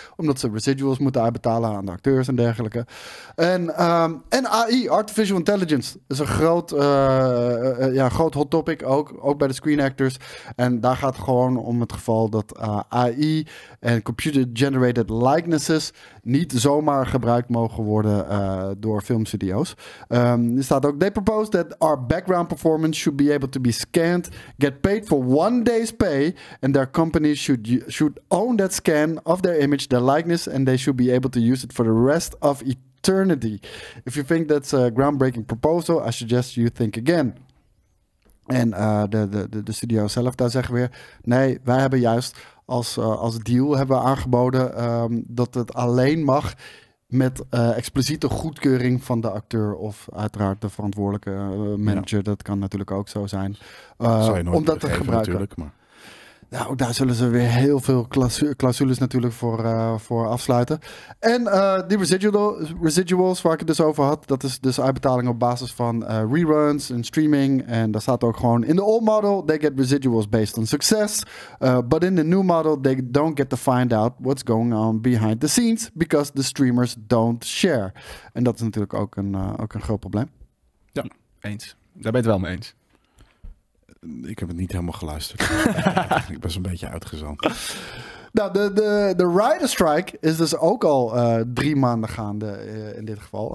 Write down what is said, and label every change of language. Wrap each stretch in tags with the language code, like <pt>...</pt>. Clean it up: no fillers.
<nl>Omdat ze residuals moeten uitbetalen aan de acteurs en dergelijke. En AI, Artificial Intelligence, is een groot, groot hot topic ook. Ook bij de Screen Actors. En daar gaat het gewoon om het geval dat AI en Computer Generated Likenesses niet zomaar gebruikt mogen worden door filmstudio's. Er staat ook,</nl> <en>they propose that our background performance should be able to be scanned, get paid for one day's pay, and their companies should own that scan of their image, their likeness, and they should be able to use it for the rest of eternity. If you think that's a groundbreaking proposal, I suggest you think again.</en> <nl>En de studio zelf daar zeggen weer, nee, wij hebben juist als deal hebben we aangeboden dat het alleen mag met expliciete goedkeuring van de acteur of uiteraard de verantwoordelijke manager. Ja. Dat kan natuurlijk ook zo zijn. Om dat te gebruiken. Natuurlijk, maar... Ja, ook daar zullen ze weer heel veel clausules natuurlijk voor afsluiten. En die residuals waar ik het dus over had, dat is dus uitbetaling op basis van reruns en streaming. En daar staat ook gewoon,</nl> <en>in the old model, they get residuals based on success. But in the new model, they don't get to find out what's going on behind the scenes, because the streamers don't share.</en> <nl>En dat is natuurlijk ook een groot probleem. Ja, eens. Daar ben je het wel mee eens. Ik heb het niet helemaal geluisterd. Ik ben zo'n beetje uitgezand. Nou, de Rider Strike is dus ook al 3 maanden gaande in dit geval.</nl>